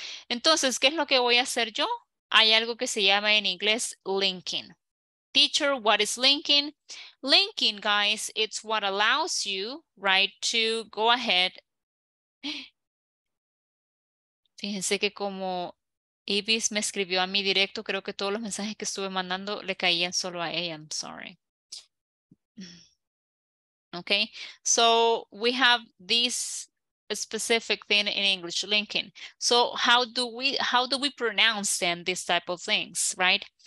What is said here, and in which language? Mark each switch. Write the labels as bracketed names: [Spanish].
[Spanish] Entonces, ¿qué es lo que voy a hacer yo? Hay algo que se llama en inglés linking. [English] Teacher, what is linking? Linking, guys, it's what allows you, right, to go ahead. [Spanish] Fíjense que como Ibis me escribió a mí directo. Creo que todos los mensajes que estuve mandando le caían solo a ella. [English] I'm sorry. Okay. So we have this specific thing in English, linking. So how do we pronounce then these type of things, right?